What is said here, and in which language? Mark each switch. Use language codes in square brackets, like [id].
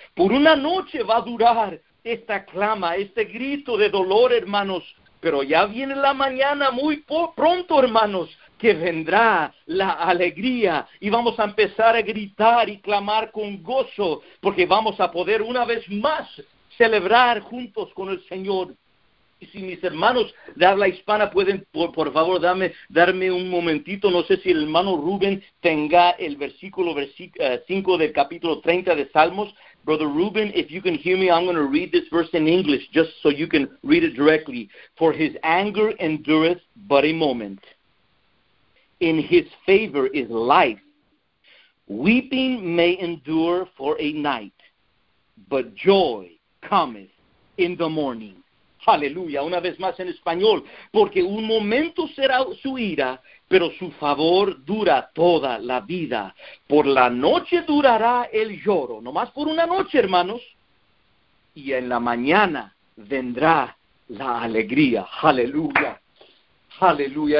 [es] Por una noche va a durar esta clama, este grito de dolor, hermanos, pero ya viene la mañana muy pronto, hermanos, que vendrá la alegría, y vamos a empezar a gritar y clamar con gozo, porque vamos a poder una vez más celebrar juntos con el Señor. Y si mis hermanos de habla hispana pueden, por favor, darme un momentito. No sé si el hermano Rubén tenga el versículo 5 del capítulo 30 de Salmos. [en] Brother Rubén, if you can hear me, I'm going to read this verse in English, just so you can read it directly. For his anger endureth but a moment. In his favor is life. Weeping may endure for a night, but joy cometh in the morning. [es] Aleluya. Una vez más en español. Porque un momento será su ira, pero su favor dura toda la vida. Por la noche durará el lloro, nomás por una noche, hermanos. Y en la mañana vendrá la alegría. Aleluya. Aleluya.